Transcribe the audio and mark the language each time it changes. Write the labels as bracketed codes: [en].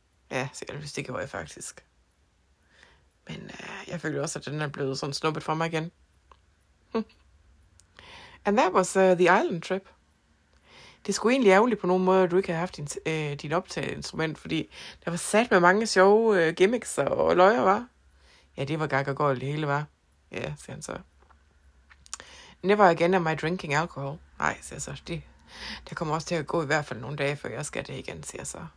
[da] Ja, sikkert, hvis det gjorde jeg faktisk. Men jeg føler også, at den er blevet sådan snuppet for mig igen. [en] And that was the island trip. [da] Det er sgu egentlig ærgerligt på nogen måde, at du ikke har haft din optaget instrument, fordi der var sat med mange sjove gimmicks og løjer, var. Ja, det var gak og gold det hele, var. Ja, siger han så. [en] Never again am I drinking alcohol. [da] Nej, siger så. Det kommer også til at gå i hvert fald nogle dage, før jeg skal det igen, siger så.